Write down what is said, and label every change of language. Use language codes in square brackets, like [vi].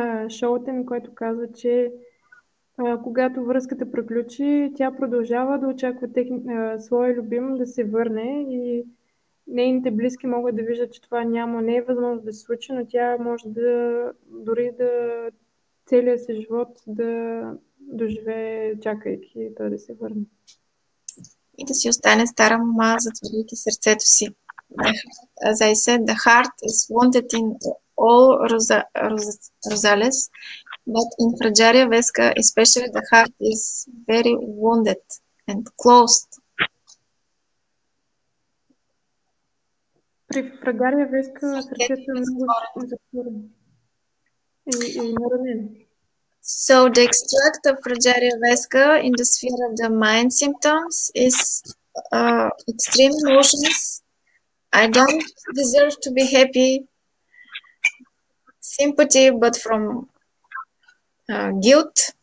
[bg] Шолтен, който казва, че когато връзката приключи, тя продължава да очаква своя любим да се върне и нейните близки могат да виждат, че това няма, не е възможно да се случи, но тя може да дори да целия си живот да доживее, чакайки той да се върне. И да си остане стара мама, затворяйки сърцето си. [en] As I said, the heart is wanted in all Rosales, but in Fragaria Vesca, especially the heart is very wounded and closed. [bg] При Фрагария Веска сърцето е много затворено и наранено. [en] So the extract of Fragaria Vesca in the sphere of the mind symptoms is extreme emotions. I don't deserve to be happy, sympathy, but from guilt.